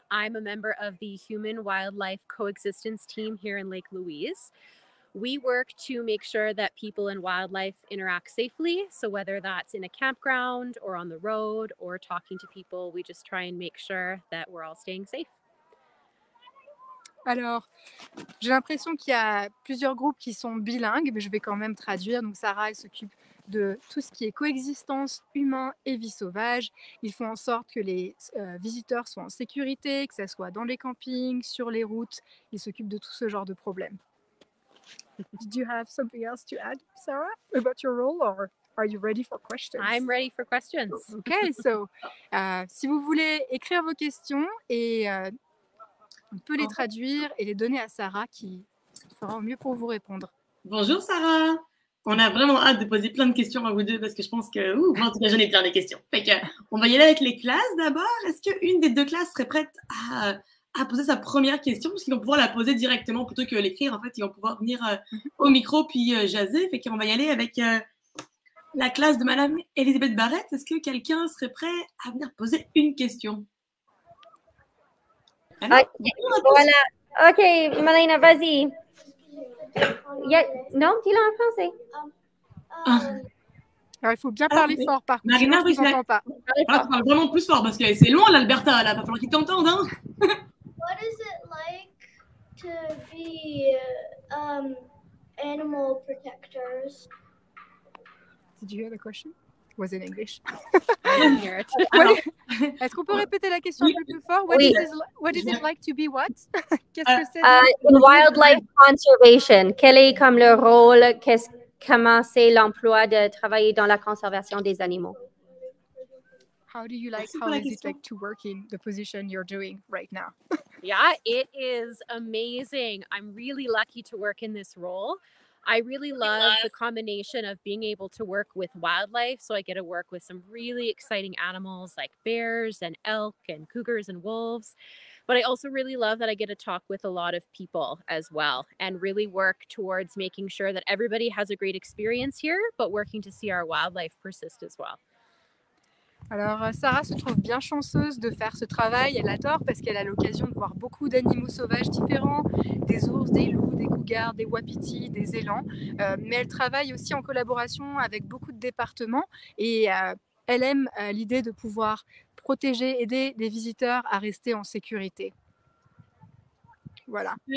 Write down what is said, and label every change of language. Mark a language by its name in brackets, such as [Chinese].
[English] I'm a member of the Human Wildlife Coexistence Team here in Lake Louise. We work to make sure that people and wildlife interact safely. So whether that's in a campground or on the road or talking to people, we just try and make sure that we're all staying safe. [French] Alors, j'ai l'impression qu'il y a plusieurs groupes qui sont bilingues, mais je vais quand même traduire. Donc, Sarah, elle s'occupe de tout ce qui est coexistence humain et vie sauvage. Ils font en sorte que les visiteurs soient en sécurité, que ce soit dans les campings, sur les routes. Ils s'occupent de tout ce genre de problèmes. [English] Did you have something else to add, Sarah, about your role, or are you ready for questions? I'm ready for questions. Okay, so, [French] si vous voulez écrire vos questions et... on peut les traduire et les donner à Sarah qui fera au mieux pour vous répondre. Bonjour Sarah, on a vraiment hâte de poser plein de questions à vous deux parce que je pense que, moi en tout cas j'en ai plein de questions. Fait que, on va y aller avec les classes d'abord. Est-ce qu'une des deux classes serait prête à poser sa première question? Parce qu'ils vont pouvoir la poser directement plutôt que l'écrire. En fait, ils vont pouvoir venir au micro puis jaser. Fait qu'on va y aller avec la classe de Madame Elisabeth Barrette. Est-ce que quelqu'un serait prêt à venir poser une question? Voilà. Ok, Malena, vas-y. Non, dis-le en français. Alors, il faut bien parler fort, par contre. Marina, je ne t'entends pas. Voilà, tu parles vraiment plus fort parce que c'est loin, l'Alberta. Il va falloir qu'ils t'entendent. Hein. [English] What is it like to be animal protectors? Did you hear the question? Was in English. Hear it. [French] Est-ce qu'on peut répéter la question un peu plus fort? [English] What, [French] oui. [English] what is it like to be what? [French] Qu'est-ce que c'est? [English] In wildlife conservation. [French] Quel est comme le rôle? Comment c'est l'emploi de travailler dans la conservation des animaux? [English] How do you like, how is it like to work in the position you're doing right now? Yeah, it is amazing. I'm really lucky to work in this role. I really love the combination of being able to work with wildlife. So I get to work with some really exciting animals like bears and elk and cougars and wolves. But I also really love that I get to talk with a lot of people as well and really work towards making sure that everybody has a great experience here, but working to see our wildlife persist as well. [French] Alors, Sarah se trouve bien chanceuse de faire ce travail. Elle adore parce qu'elle a l'occasion de voir beaucoup d'animaux sauvages différents, des ours, des loups, des cougars, des wapitis, des élans. Mais elle travaille aussi en collaboration avec beaucoup de départements et elle aime l'idée de pouvoir protéger, aider des visiteurs à rester en sécurité. Voilà.